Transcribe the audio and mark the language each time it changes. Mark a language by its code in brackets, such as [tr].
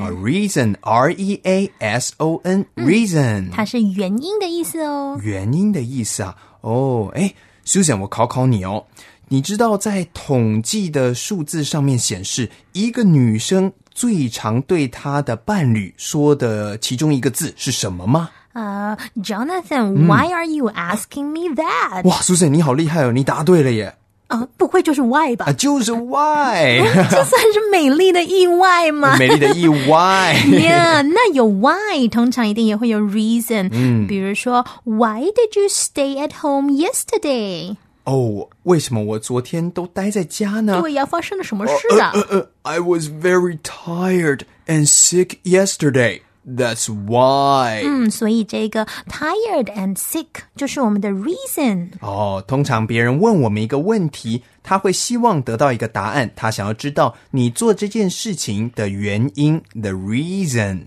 [en] 啊、reason, R-E-A-S-O-N, reason、嗯。 [zh] 它是原因的意思哦。原因的意思啊。哦，诶 ,Susan, 我考考你哦。你知道在统计的数字上面显示一个女生最常对他的伴侣说的其中一个字是什么吗？ [en] Jonathan,、嗯、why are you asking me that? [zh] 哇 ,Susan, 你好厉害哦，你答对了耶。不会就是 why 吧、就是 why 这算是美丽的意外吗？美丽的意外 yeah, 那有 why 通常一定也会有 reason、嗯、比如说 [en] why did you stay at home yesterday? [zh] 哦、oh, 为什么我昨天都待在家呢？对呀，发生了什么事啊、 [en] I was very tired and sick yesterday. That's why. [zh] 嗯，所以这个 [en] tired and sick [zh] 就是我们的 reason. 哦、oh, 通常别人问我们一个问题，他会希望得到一个答案，他想要知道你做这件事情的原因 [en] the reason.